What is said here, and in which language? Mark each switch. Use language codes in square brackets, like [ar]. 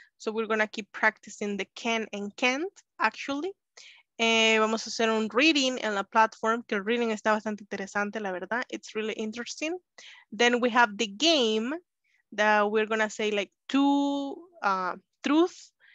[en] So we're going to keep practicing the can and can't, actually. [es] Vamos a hacer un reading en la platform, que el reading está bastante interesante, la verdad. [en] It's really interesting. Then we have the game that we're going to say like two truths.